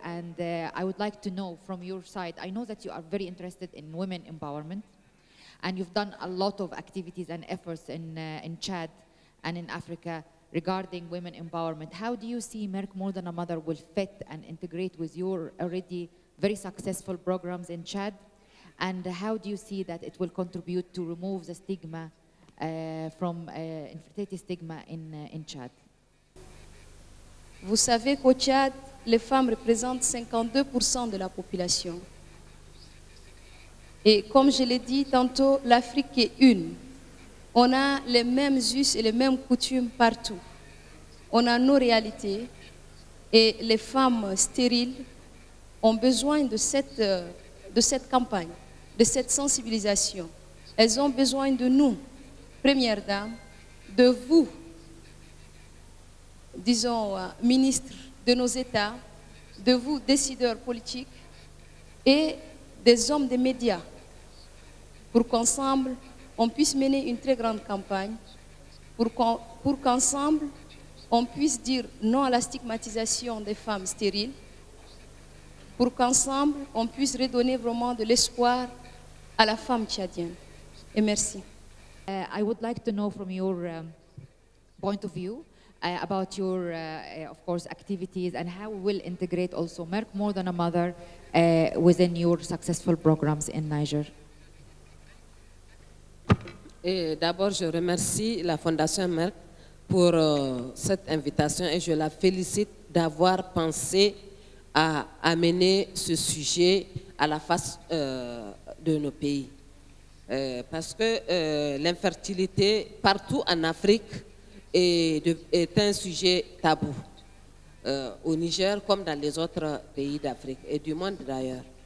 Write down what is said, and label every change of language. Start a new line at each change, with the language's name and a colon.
English: And I would like to know from your side, I know that you are very interested in women empowerment, and you've done a lot of activities and efforts in Chad and in Africa regarding women empowerment. How do you see Merck More Than a Mother will fit and integrate with your already very successful programs in Chad? And how do you see that it will contribute to remove the stigma from infertility stigma in Chad?
French: Vous savez qu'au Chad, les femmes représentent 52% de la population. Et comme je l'ai dit tantôt, l'Afrique est une. On a les mêmes us et les mêmes coutumes partout. On a nos réalités. Et les femmes stériles ont besoin de cette campagne, de cette sensibilisation. Elles ont besoin de nous, Première Dame, de vous, disons, ministre de nos États, de vous, décideurs politiques, et des hommes des médias, pour qu'ensemble, on puisse mener une très grande campagne, pour qu'ensemble, on puisse dire non à la stigmatisation des femmes stériles, pour qu'ensemble, on puisse redonner vraiment de l'espoir à la femme tchadienne. Et merci.
English: I would like to know from your point of view about your, of course, activities and how we'll integrate also Merck More Than a Mother within your successful programs in Niger.
French: Et d'abord, je remercie la Fondation Merck pour cette invitation et je la félicite d'avoir pensé à amener ce sujet à la face de nos pays. Parce que l'infertilité partout en Afrique est un sujet tabou, au Niger comme dans les autres pays d'Afrique et du monde d'ailleurs.